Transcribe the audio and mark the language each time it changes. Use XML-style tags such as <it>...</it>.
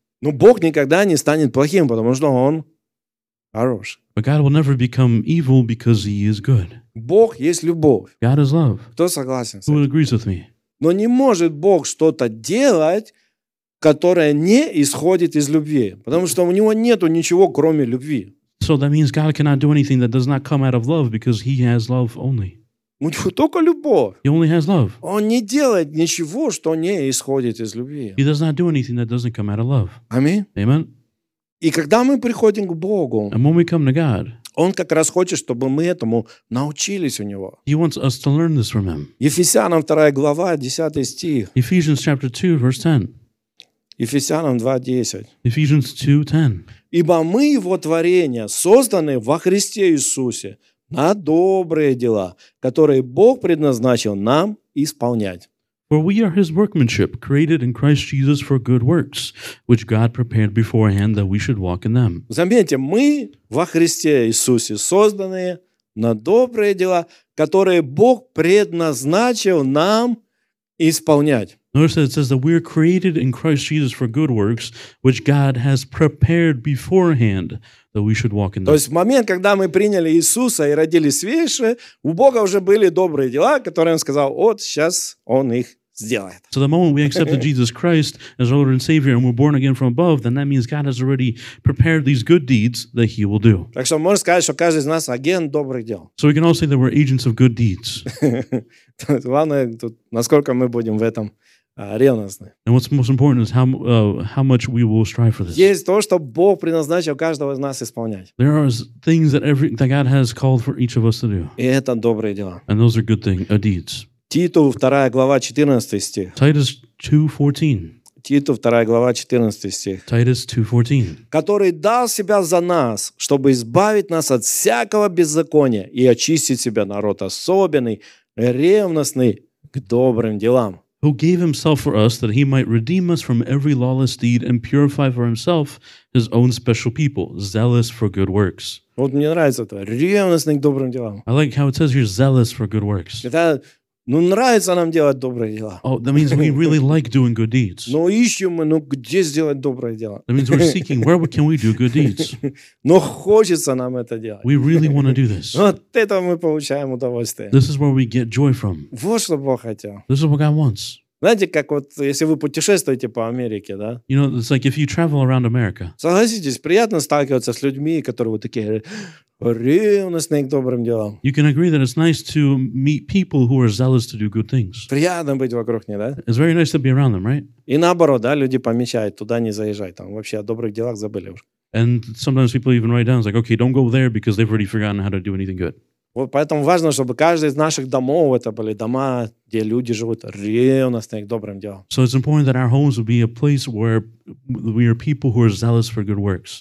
<ru>Но Бог никогда не станет плохим, потому что он хорош.</ru> <en>But God will never become evil because he is good.</en> <ru>Бог есть любовь.</ru> <en>God is love.</en> <ru>Кто согласен?</ru> <en>Who agrees with me?</en> <ru>Но не может Бог что-то делать, которое не исходит из любви, потому что у него нету ничего, кроме любви.</ru> <en>So that means God cannot do anything that does not come out of love because he has love only.</en> <ru>У него только любовь.</ru> <en>He only has love.</en> <ru>Он не делает ничего, что не исходит из любви.</ru> <en>He does not do anything that doesn't come out of love.</en> <ru>Аминь.</ru> <en>Amen.</en> <ru>И когда мы приходим к Богу,</ru> <en>and when we come to God,</en> <ru>он как раз хочет, чтобы мы этому научились у него.</ru> <en>He wants us to learn this from him.</en> <ru>Ефесянам 2 глава, 10 стих.</ru> <en>Ephesians chapter 2, verse 10.</en> <ru>Ефесянам 2, 10.</ru> <en>Ephesians 2, 10.</en> <ru>Ибо мы его творение, созданы во Христе Иисусе, на добрые дела, которые Бог предназначил нам исполнять.</ru> <en>For we are his workmanship, created in Christ Jesus for good works, which God prepared beforehand that we should walk in them.</en> <ru>Заметьте, мы во Христе Иисусе созданы на добрые дела, которые Бог предназначил нам исполнять.</ru> <en>Notice that it says that we are created in Christ Jesus for good works, which God has prepared beforehand that we should walk in them.</en> <ru>То есть в момент, когда мы приняли Иисуса и родились свыше, у Бога уже были добрые дела, которые Он сказал, вот сейчас Он их сделает.</ru> <en>So the moment we accepted Jesus Christ as our Lord and Savior and we're born again from above, then that means God has already prepared these good deeds that He will do.</en> <ru>Так что можно сказать, что каждый из нас агент добрых дел.</ru> <en>So we can all say that we're agents of good deeds.</en> <ru>Главное, тут, насколько мы будем в этом ревностны.</ru> <en>And what's most important is how much we will strive for this.</en> <ru>Есть то, что Бог предназначил каждого из нас исполнять.</ru> <en>There are things that that God has called for each of us to do.</en> <ru>И это добрые дела.</ru> <en>And those are good things, deeds.</en> <ru>Титу 2 глава 14 стих.</ru> <en>Titus 2:14.</en> <ru>Титу 2 глава 14 стих.</ru> <en>Titus 2:14.</en> <ru>Который дал себя за нас, чтобы избавить нас от всякого беззакония и очистить себя народ особенный, ревностный к добрым делам.</ru> <en>Who gave himself for us that he might redeem us from every lawless deed and purify for himself his own special people, zealous for good works.</en> <ru>Вот мне нравится это, ревностный к добрым делам.</ru> <en>I like how it says you're zealous for good works.</en> <ru>Ну, нравится нам делать добрые дела.</ru> <en>Oh, that means we really like doing good deeds.</en> <ru>Ну, ищем мы, ну, где сделать добрые дела?</ru> <en>That means we're seeking, where can we do good deeds?</en> <ru>Ну, хочется нам это делать.</ru> <en>We really want to do this.</en> <ru>Вот это мы получаем удовольствие.</ru> <en>This is where we get joy from.</en> <ru>Вот что Бог хотел.</ru> <en>This is what God wants.</en> <ru>Знаете, как вот, если вы путешествуете по Америке, да?</ru> <en>You know, it's like if you travel around America.</en> <ru>Согласитесь, приятно сталкиваться с людьми, которые вот такие... ревностные к добрым делам.</ru> <en>You can agree that it's nice to meet people who are zealous to do good things.</en> <ru>Приятно быть вокруг них, да?</ru> <en>It's very nice to be around them, right?</en> <ru>И наоборот, да, люди помечают, туда не заезжай, там вообще о добрых делах забыли уже.</ru> <en>And sometimes people even write down, it's like, okay, don't go there because they've already forgotten how to do anything good.</en> <ru>Вот поэтому важно, чтобы каждый из наших домов это были дома, где люди живут ревностные к добрым делам.</ru> <en>So it's important that our homes would be a place where we are people who are zealous for good works.</en>